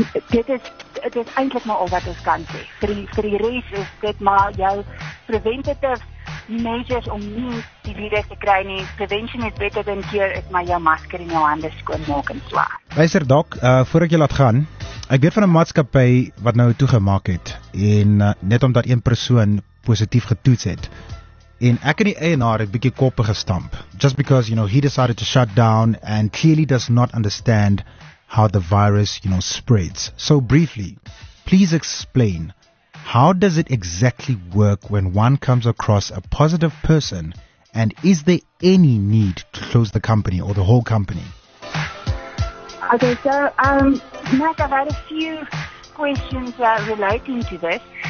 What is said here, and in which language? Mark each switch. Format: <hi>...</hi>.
<af>Dit is eintlik maar al wat ons kan sê. Vir die rest is dit maar jou preventative measures om nie die virus te kry nie.</af> <en>Prevention is better than cure,</en> <af>is maar jou masker en jou handen skoon maak en so. Luister dok, voor ek jy laat gaan, ek weet van een maatskappy wat nou toegemaak het en net omdat een persoon positief getoets het en ek en die eienaar het bietjie koppe gestamp</af> <en>just because, you know, he decided to shut down and clearly does not understand how the virus, you know, spreads. So briefly, please explain, how does it exactly work when one comes across a positive person And is there any need to close the company or the whole company? Okay, so, Matt, I've had a few questions relating to this.</en>